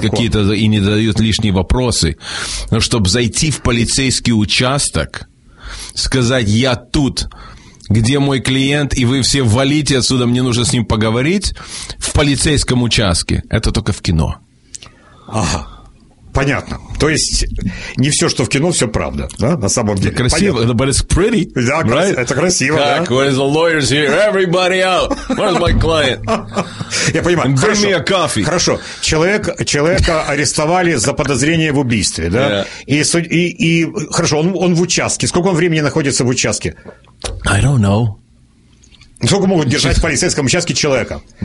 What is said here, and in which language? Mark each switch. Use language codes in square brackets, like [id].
[ru] какие-то и не дают лишние вопросы. Но чтобы зайти в полицейский участок, сказать «я тут», где мой клиент, и вы все валите отсюда, мне нужно с ним поговорить, в полицейском участке, это только в кино. Ага. Понятно. То есть не все, что в кино, все правда, да, на самом деле. Красиво, [en] but it's pretty. [ru] Да, [en] right? [ru] Это красиво. Как, да? [en] Where's the lawyers here? Everybody out. Where's my client? [ru] Я понимаю. [en] And bring me a coffee. [ru] Хорошо. Человека арестовали за подозрение в убийстве, да? [en] Yeah. [ru] И хорошо, он в участке. Сколько он времени находится в участке? [en] I don't know. [ru] Сколько могут держать в полицейском участке человека?